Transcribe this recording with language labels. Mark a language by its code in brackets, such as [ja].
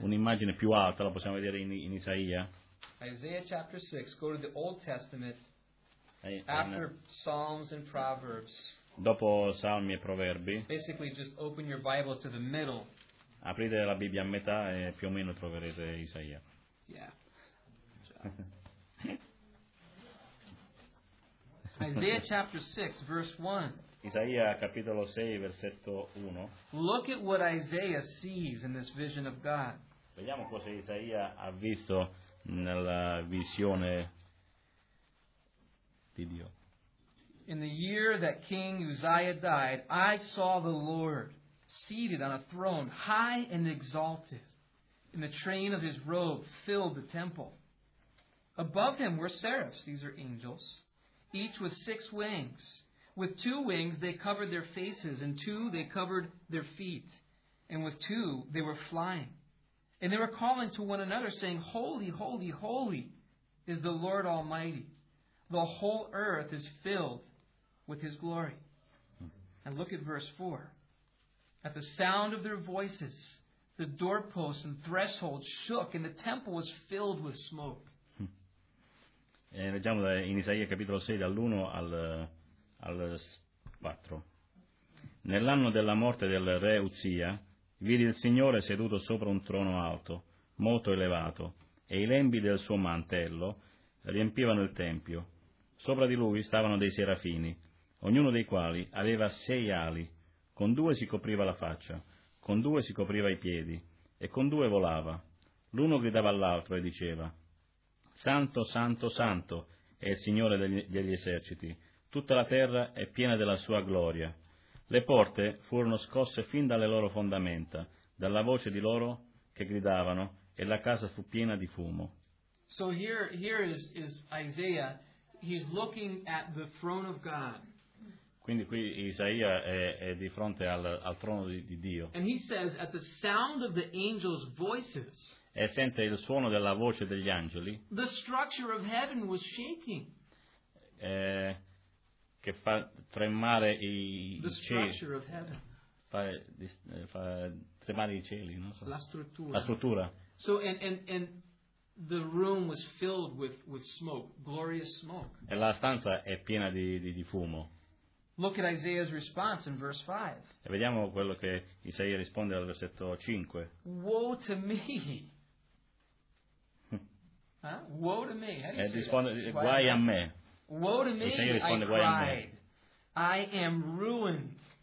[it] Un'immagine più alta, la possiamo vedere in Isaia. [en] Isaiah chapter 6, go to the Old Testament, after Psalms and Proverbs. [it] Dopo Salmi e Proverbi. [en] Basically, just open your Bible to the middle. [it] aprite la Bibbia a metà e più o meno troverete Isaia. Yeah. [en] Isaiah chapter 6 verse 1. [it] Isaia capitolo 6 versetto 1. [en] Look at what Isaiah sees in this vision of God. [it] Vediamo cosa Isaia ha visto nella visione di Dio. [en] In the year that King Uzziah died, I saw the Lord seated on a throne, high and exalted, and the train of his robe filled the temple. Above him were seraphs, these are angels, each with six wings. With two wings they covered their faces, and two they covered their feet, and with two they were flying. And they were calling to one another, saying, Holy, holy, holy is the Lord Almighty. The whole earth is filled with his glory. And look at verse 4. At the sound of their voices, the doorposts and thresholds shook, and the temple was filled with smoke. [it] E leggiamo in Isaia capitolo 6, dall'1 al 4. Nell'anno della morte del re Uzzia, vidi il Signore seduto sopra un trono alto, molto elevato, e i lembi del suo mantello riempivano il tempio. Sopra di lui stavano dei serafini, ognuno dei quali aveva sei ali, con due si copriva la faccia, con due si copriva i piedi, e con due volava. L'uno gridava all'altro e diceva, «Santo, santo, santo è il Signore degli eserciti, tutta la terra è piena della sua gloria». Le porte furono scosse fin dalle loro fondamenta, dalla voce di loro che gridavano, e la casa fu piena di fumo. [en] So here is Isaiah, he's looking at the throne of God. [it] Quindi qui Isaia è di fronte al trono di Dio. [en] And he says, at the sound of the angels' voices, [it] e sente il suono della voce degli angeli, [en] the structure of heaven was shaking. [it] Che fa tremare i cieli, fa tremare i cieli, non so. La struttura. [en] So and the room was filled with smoke, glorious smoke. [it] E la stanza è piena di fumo. [en] Look at Isaiah's response in verse 5. [it] E vediamo quello che Isaia risponde al versetto 5. [en] Woe to me. Huh? Woe to me. [it] E risponde, guai a me. [en] Woe to me, [it] risponde, [en] I cried. I am ruined.